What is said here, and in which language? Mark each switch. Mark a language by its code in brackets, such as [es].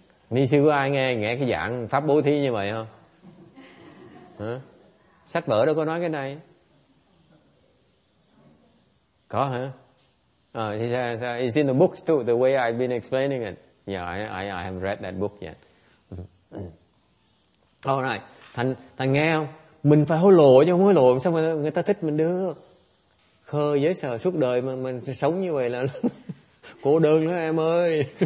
[vi] Ni sư có ai nghe cái dạng pháp bố thí như vậy không? Hả? Sách vở đâu có nói cái này. Có hả? Sao? [en] It's in the books too, the way I've been explaining it. Yeah, I haven't read that book yet. [vi] Alright, thành nghe không? Mình phải hối lộ chứ không hối lộ sao mà người ta thích mình được. Khờ dễ sợ suốt đời mà mình sống như vậy là cô đơn đó em ơi.